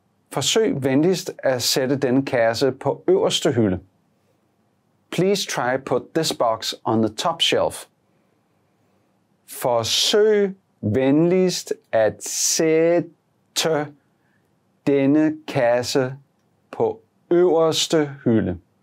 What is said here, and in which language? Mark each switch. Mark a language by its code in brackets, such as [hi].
[da] Forsøg venligst at sætte den kasse på øverste hylde. [en] Please try put this box on the top shelf. [da] Forsøg venligst at sætte denne kasse på øverste hylde.